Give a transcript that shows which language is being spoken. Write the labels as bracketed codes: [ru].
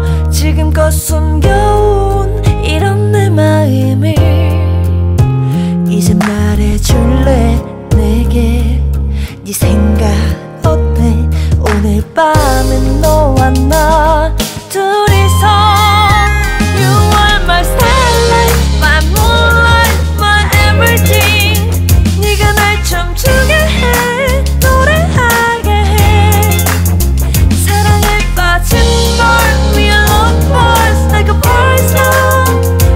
[ko] 지금껏 숨겨온 이런 내 마음을 이제 말해줄래. 내게 네 생각 어때. 오늘 밤엔 너와 나 둘이서. [en] You are my starlight, my moonlight, my everything. [ko] 네가 날 춤추게 해, 노래하게 해. 사랑에 빠진 널 위한 [en] love was like a first love.